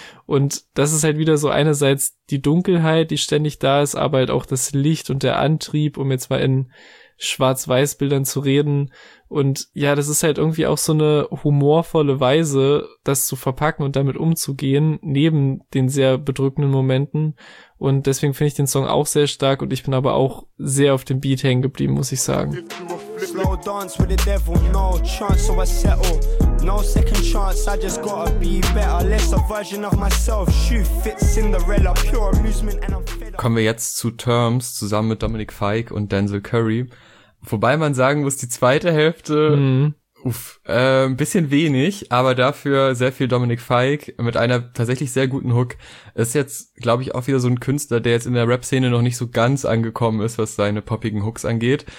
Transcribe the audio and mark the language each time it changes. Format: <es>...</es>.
<de>Und das ist halt wieder so einerseits die Dunkelheit, die ständig da ist, aber halt auch das Licht und der Antrieb, um jetzt mal in Schwarz-Weiß-Bildern zu reden. Und ja, das ist halt irgendwie auch so eine humorvolle Weise, das zu verpacken und damit umzugehen, neben den sehr bedrückenden Momenten. Und deswegen finde ich den Song auch sehr stark und ich bin aber auch sehr auf dem Beat hängen geblieben, muss ich sagen.</de> <en>Slow dance with the devil, no chance, so I settle. No second chance, I just gotta be better. Less a version of myself, shoe fits Cinderella. Pure amusement and I'm fed up.</en> <de>Kommen wir jetzt zu Terms, zusammen mit Dominic Fike und Denzel Curry. Wobei man sagen muss, die zweite Hälfte, ein bisschen wenig, aber dafür sehr viel Dominic Fike mit einer tatsächlich sehr guten Hook. Ist jetzt, glaube ich, auch wieder so ein Künstler, der jetzt in der Rap-Szene noch nicht so ganz angekommen ist, was seine poppigen Hooks angeht.</de>